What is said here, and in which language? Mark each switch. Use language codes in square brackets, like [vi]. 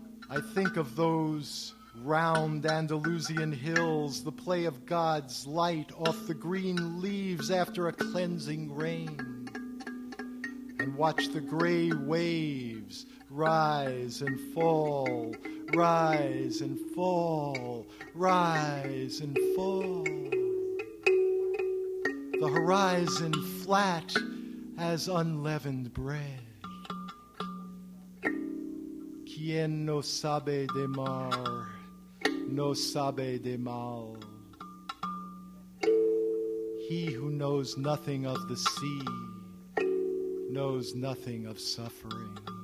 [en] I think of those round Andalusian hills, the play of God's light off the green leaves after a cleansing rain, and watch the gray waves rise and fall, rise and fall, rise and fall. The horizon flat as unleavened bread. [es] Quien no sabe de mar, no sabe de mal. [en] He who knows nothing of the sea, knows nothing of suffering.